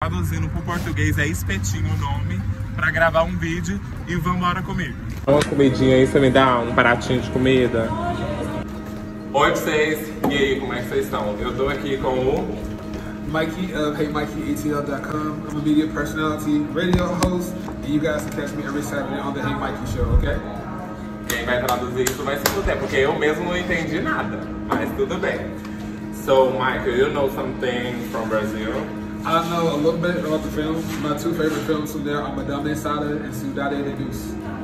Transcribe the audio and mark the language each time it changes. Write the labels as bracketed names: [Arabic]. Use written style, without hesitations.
[Portuguese] traduzindo pro português, é espetinho o nome, pra gravar um vídeo e vambora comigo. Uma comidinha aí, você me dá um pratinho de comida? Oi pra vocês, e aí, como é que vocês estão? Eu tô aqui com o... [English] Mikey of HeyMikeyATL.com. I'm a media personality, radio host, and you guys can catch me every Saturday on the Hey Mikey Show, okay? [Portuguese] Quem vai traduzir isso vai ser você, porque eu mesmo não entendi nada, mas tudo bem. [English] So, Michael, you know something from Brazil? I know a little bit about the films. My two favorite films from there are Madame Sada and Cidade de Deus.